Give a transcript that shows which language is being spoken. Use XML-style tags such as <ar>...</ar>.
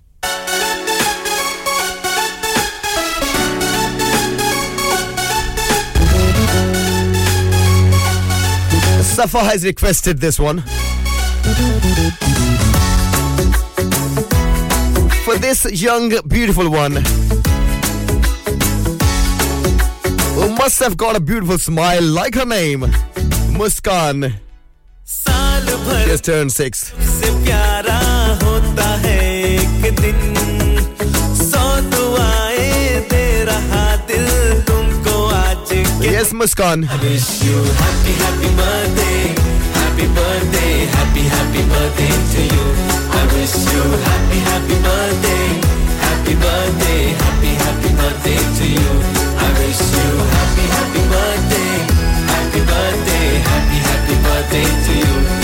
<en>Safa has requested this one. For this young, beautiful one, who must have got a beautiful smile like her name, Muskan. Just turn 6.</en> <hi>से प्यारा होता है एक दिन, सौ दुआएं दे रहा दिल तुमको आज के</hi> <en>Yes, Muskan. Wish you happy, happy birthday. Happy birthday, happy, happy birthday to you. I wish you happy, happy birthday. Happy birthday, happy, happy birthday to you. I wish you happy, happy birthday. Happy birthday, happy, happy birthday to you.</en>